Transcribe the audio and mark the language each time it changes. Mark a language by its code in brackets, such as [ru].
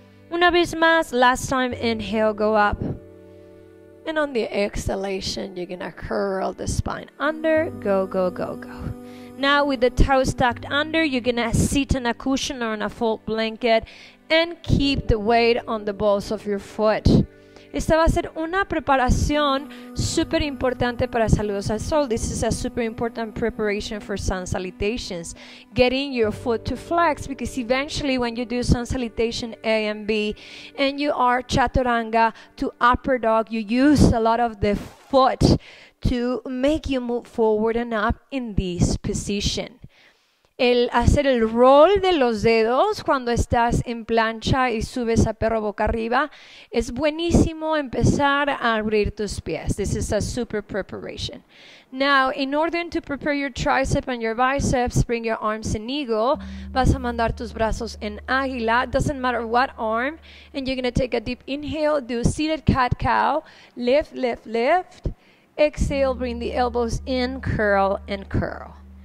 [es] Una vez más, [en] last time, inhale, go up. And on the exhalation, you're going to curl the spine under. Go, go, go, go. Now with the toes tucked under, you're going to sit on a cushion or on a fold blanket and keep the weight on the balls of your foot. [es] Esta va a ser una preparación super importante para Saludos al Sol. [en] This is a super important preparation for sun salutations. Getting your foot to flex, because eventually when you do sun salutation A and B and you are chaturanga to upper dog, you use a lot of the foot to make you move forward and up in this position. [es] El hacer el roll de los dedos cuando estás en plancha y subes a perro boca arriba es buenísimo empezar a abrir tus pies. [en] This is a super preparation. Now, in order to prepare your tricep and your biceps, bring your arms in eagle. [es] Vas a mandar tus brazos en águila, [en] doesn't matter what arm. And you're going to take a deep inhale, do seated cat-cow, lift, lift, lift. Exhale, bring the elbows in, curl and curl.